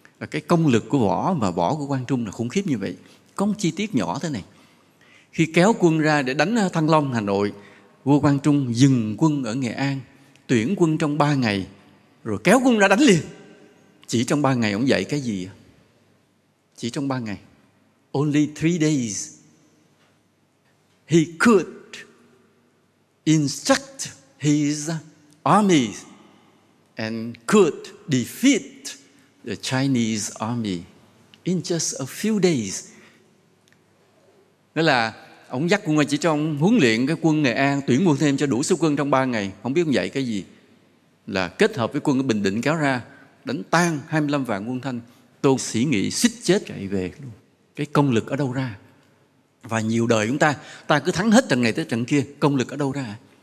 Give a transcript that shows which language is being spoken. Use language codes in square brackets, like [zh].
[vi] Cái công lực của võ và võ của Quang Trung là khủng khiếp như vậy. Có một chi tiết nhỏ thế này. Khi kéo quân ra để đánh Thăng Long Hà Nội, vua Quang Trung dừng quân ở Nghệ An, tuyển quân trong 3 ngày, rồi kéo quân ra đánh liền. Chỉ trong 3 ngày ông dạy cái gì? Chỉ trong 3 ngày. [en] Only 3 days. He could instruct his army and could defeat the Chinese army in just a few days. [vi] Nghĩa là ông dắt quân ra chỉ cho ông huấn luyện cái quân Nghệ An, tuyển quân thêm cho đủ số quân trong 3 ngày. Không biết ông dạy cái gì, là kết hợp với quân ở Bình Định kéo ra đánh tan 25 vạn quân Thanh. Tôn Sĩ Nghị xích chết chạy về. Cái công lực ở đâu ra? Và nhiều đời chúng ta, ta cứ thắng hết trận này tới trận kia, công lực ở đâu ra?